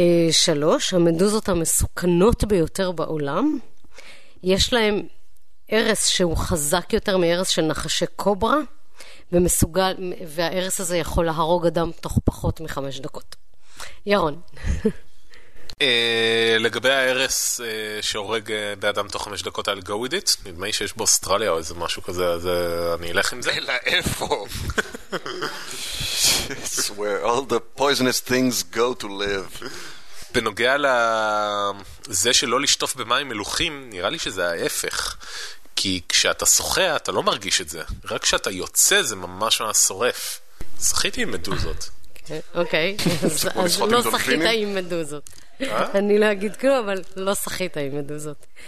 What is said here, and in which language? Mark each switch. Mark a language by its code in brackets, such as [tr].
[he] שלוש, המדוזות המסוכנות ביותר בעולם, יש להם ערס שהוא חזק יותר מערס של נחשי קוברה, ומסוגל, והערס הזה יכול להרוג אדם תוך פחות מחמש דקות. ירון. לגבי הערס שהורג באדם תוך חמש דקות על [en] go with it, [he] נדמה לי שיש באוסטרליה או איזה משהו כזה, אז אני אלך עם זה. אלא איפה? [en] It's where all the poisonous things go to live. [he] בנוגע לזה שלא לשטוף במים מלוכים, נראה לי שזה ההפך. כי כשאתה שוחה, אתה לא מרגיש את זה. רק כשאתה יוצא, זה ממש שורף. זכיתי עם מדוזות. אוקיי, אז לא שחית עם מדוזות. אני לא אגיד כלום, אבל לא שחית עם מדוזות.